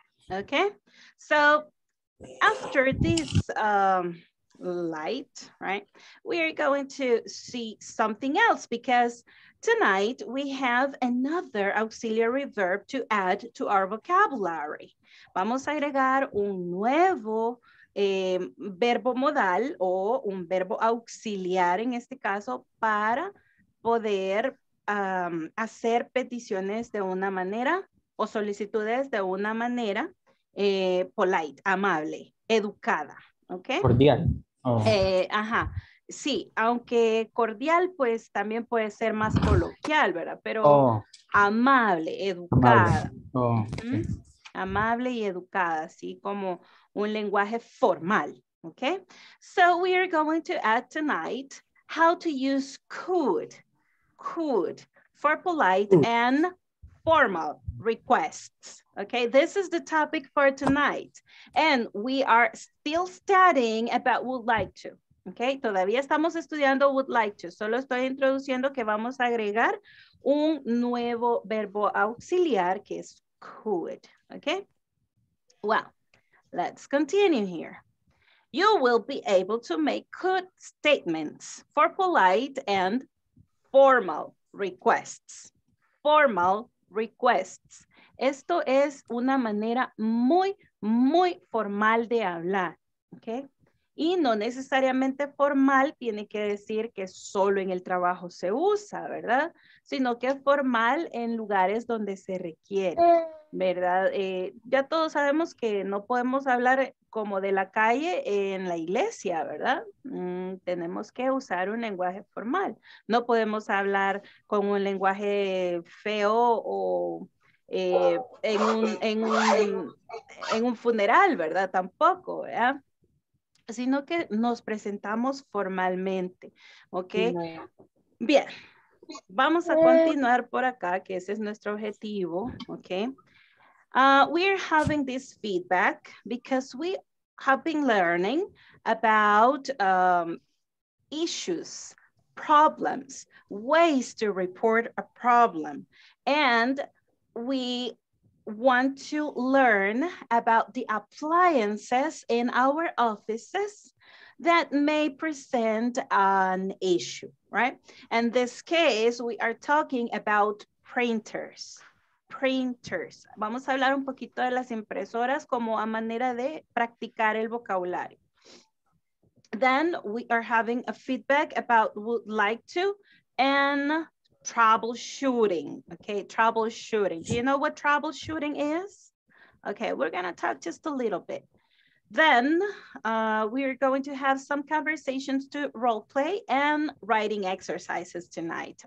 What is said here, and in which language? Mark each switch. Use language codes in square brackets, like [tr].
[en] Okay? So after this light, right, we are going to see something else, because tonight we have another auxiliary verb to add to our vocabulary. [es] Vamos a agregar un nuevo verbo modal o un verbo auxiliar en este caso para poder hacer peticiones de una manera o solicitudes de una manera polite, amable, educada, ¿ok? Cordial. Oh. Ajá, sí, aunque cordial pues también puede ser más coloquial, ¿verdad? Pero oh. Amable, educada. Amable. Oh, okay. ¿Mm? Amable y educada, así como un lenguaje formal, ¿ok? [en] So we are going to add tonight how to use could for polite and formal requests. Okay, this is the topic for tonight. And we are still studying about would like to. [es] Okay, todavía estamos estudiando would like to. Solo estoy introduciendo que vamos a agregar un nuevo verbo auxiliar que es could. [en] Okay, well, let's continue here. You will be able to make could statements for polite and formal requests. Formal requests. [es] Esto es una manera muy, muy formal de hablar, ¿ok? Y no necesariamente formal tiene que decir que solo en el trabajo se usa, ¿verdad? Sino que es formal en lugares donde se requiere, ¿verdad? Ya todos sabemos que no podemos hablar como de la calle en la iglesia, ¿verdad? Tenemos que usar un lenguaje formal. No podemos hablar con un lenguaje feo o en un funeral, ¿verdad? Tampoco, ¿verdad? Sino que nos presentamos formalmente, ¿ok? Bien, vamos a continuar por acá, que ese es nuestro objetivo, ¿ok? [en] We're having this feedback because we have been learning about issues, problems, ways to report a problem. And we want to learn about the appliances in our offices that may present an issue, right? In this case, we are talking about printers. Printers. [es] Vamos a hablar un poquito de las impresoras como a manera de practicar el vocabulario. [en] Then we are having a feedback about would like to and troubleshooting. Okay, troubleshooting. Do you know what troubleshooting is? Okay, we're gonna talk just a little bit. Then we are going to have some conversations to role play and writing exercises tonight.